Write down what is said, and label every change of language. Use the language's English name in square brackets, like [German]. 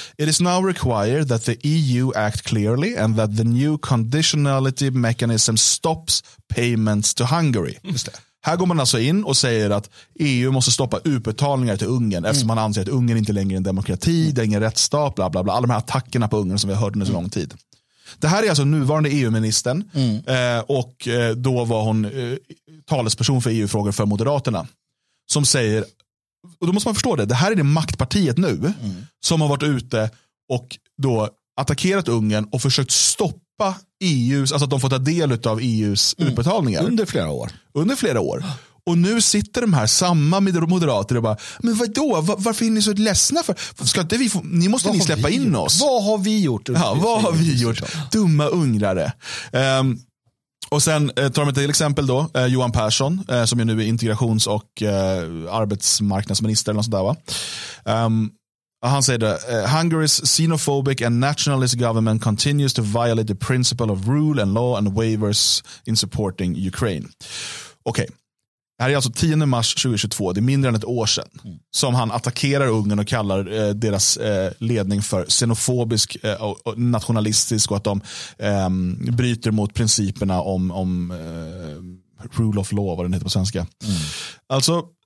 [English] It is now required that the EU act clearly and that the new conditionality mechanism stops payments to Hungary. [Swedish] Just det. Här går man alltså in och säger att EU måste stoppa utbetalningar till Ungern eftersom man anser att Ungern inte längre är en demokrati, det är ingen rättsstat, bla bla bla. Alla de här attackerna på Ungern som vi har hört under så lång tid. Det här är alltså nuvarande EU-ministern och då var hon talesperson för EU-frågor för Moderaterna som säger, och då måste man förstå det här är det maktpartiet nu som har varit ute och då attackerat Ungern och försökt stoppa EUs, alltså att de får ta del av EUs utbetalningar. Under flera år. Och nu sitter de här samma med moderater och bara, men vadå? Varför är ni så ledsna för? Ska inte vi få, ni måste vad ni släppa in gjort? Oss. Vad har vi gjort? Ja, vad har vi gjort? Dumma ungrare. Och sen tar de till exempel då, Johan Persson, som är nu integrations- och arbetsmarknadsminister eller något sånt där, va? Han säger det. [English] Hungary's xenophobic and nationalist government continues to violate the principle of rule and law and waivers in supporting Ukraine. [Swedish] Okej. Okay. Här är alltså 10 mars 2022. Det är mindre än ett år sedan. Mm. Som han attackerar Ungern och kallar deras ledning för xenofobisk och nationalistisk. Och att de bryter mot principerna om rule of law, vad den heter på svenska. Mm. Alltså...